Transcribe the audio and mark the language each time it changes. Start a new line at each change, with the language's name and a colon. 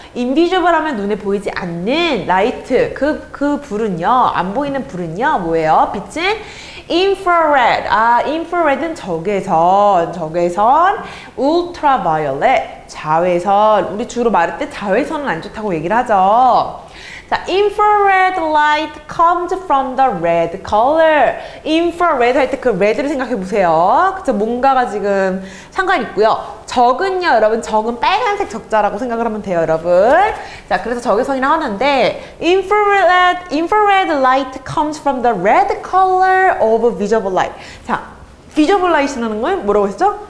Korean: Invisible 하면 눈에 보이지 않는 light. 그 불은요. 안 보이는 불은요. 뭐예요? 빛은? Infrared. 아, infrared은 적외선. 적외선. Ultraviolet. 자외선. 우리 주로 말할 때 자외선은 안 좋다고 얘기를 하죠.
English: 자, infrared light comes from the red color.
Korean: infrared 할 때 그 red를 생각해 보세요. 그쵸? 뭔가가 지금 상관이 있고요. 적은요, 여러분. 적은 빨간색 적자라고 생각을 하면 돼요, 여러분. 자, 그래서 적외선이라고 하는데,
English: infrared light comes from the red color of visible light.
Korean: 자, visible light이라는 건 뭐라고 했죠?